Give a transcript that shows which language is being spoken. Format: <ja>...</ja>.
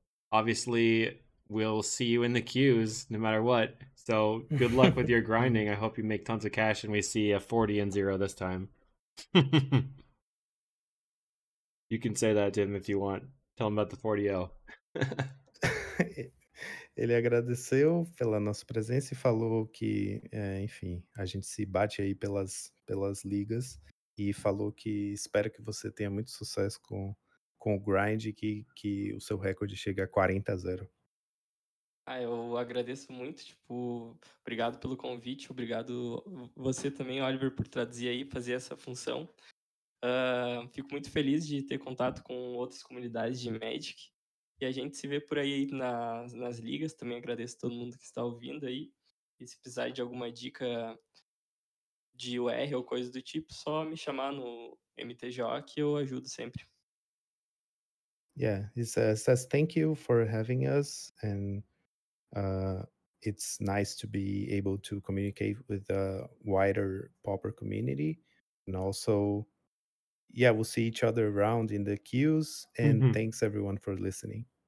<en>Obviously, we'll see you in the queues no matter what. So good luck with your grinding. I hope you make tons of cash and we see a 40 and zero this time. You can say that, Tim, if you want. Tell him about the 40-0.</en> <pt>Ele agradeceu pela nossa presença e falou que, enfim, a gente se bate aí pelas ligas. E falou que espero que você tenha muito sucesso com o grind e que o seu recorde chegue a 40-0. Ah, eu agradeço muito, tipo, obrigado pelo convite, obrigado você também, Oliver, por traduzir aí, fazer essa função. Fico muito feliz de ter contato com outras comunidades de Magic. E a gente se vê por aí nas ligas, também agradeço todo mundo que está ouvindo aí. E se precisar de alguma dica de UR ou coisa do tipo, só me chamar no MTGO que eu ajudo sempre.</pt> <en>Yeah, he says thank you for having us, and it's nice to be able to communicate with the wider Pauper community, and also, yeah, we'll see each other around in the queues, and thanks everyone for listening.</en>